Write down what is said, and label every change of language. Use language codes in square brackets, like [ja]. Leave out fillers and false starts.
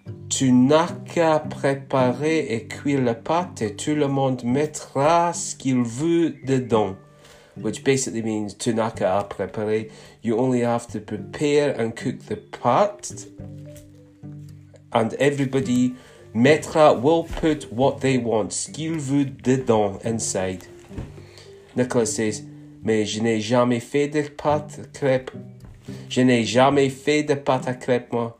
[fr] Tu n'as qu'à préparer et cuire la pâte et tout le monde mettra ce qu'il veut dedans. [en] Which basically means, [fr] tu n'as qu'à préparer. [en] You only have to prepare and cook the pâte. And everybody mettra will put what they want. [fr] Ce qu'il veut dedans, inside. [en] Nicholas says, [fr] mais je n'ai jamais fait de pâte crêpe. Je n'ai jamais fait de pâte à crêpes, moi.